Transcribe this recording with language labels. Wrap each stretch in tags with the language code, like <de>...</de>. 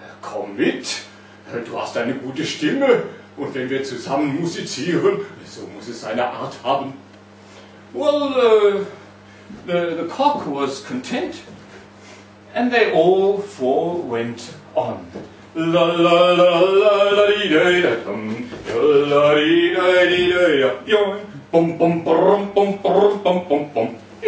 <de>Komm mit, du hast eine gute Stimme und wenn wir zusammen musizieren, so muss es eine Art haben.</de> <en>Well, the cock was content and they all four went on. La la la la la di da da dum, la di da di da ya, yon, bum bum bum bum bum bum bum bum.</en>